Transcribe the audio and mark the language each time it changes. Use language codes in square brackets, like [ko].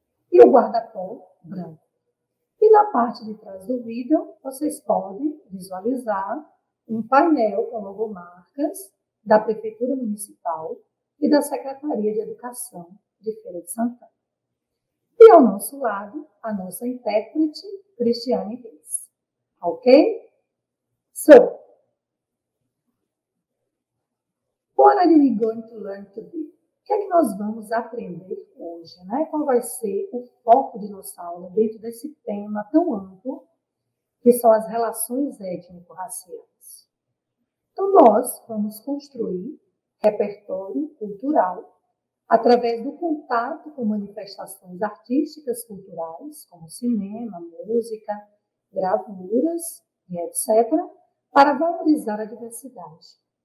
[pt] E o guarda-pó branco. E na parte de trás do vídeo, vocês podem visualizar um painel com logomarcas da Prefeitura Municipal e da Secretaria de Educação de Feira de Santana. E ao nosso lado, a nossa intérprete, Cristiane Reis. Ok? [en] So, what are we going to learn today? [pt] O que é que nós vamos aprender hoje, né? Qual vai ser o foco de nossa aula dentro desse tema tão amplo que são as relações étnico-raciais? Então, nós vamos construir repertório cultural através do contato com manifestações artísticas culturais, como cinema, música, gravuras e etc., para valorizar a diversidade.